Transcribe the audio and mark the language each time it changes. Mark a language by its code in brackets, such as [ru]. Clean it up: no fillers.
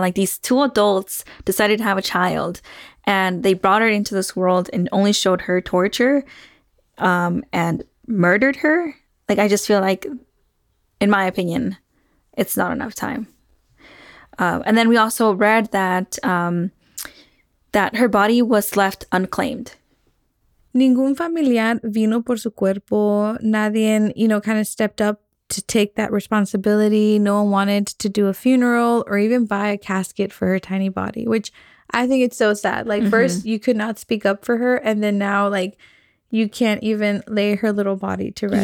[en] Like, these two adults decided to have a child, and they brought her into this world and only showed her torture and murdered her. Like, I just feel like, in my opinion, it's not enough time. And then we also read that... that her body was left unclaimed. [es] Ningún familiar vino por su cuerpo. [en] Nadie, you know, kind of stepped up to take that responsibility. No one wanted to do a funeral or even buy a casket for her tiny body, which I think it's so sad. Like, mm-hmm. first, you could not speak up for her. And then now, like, you can't even lay her little body to rest.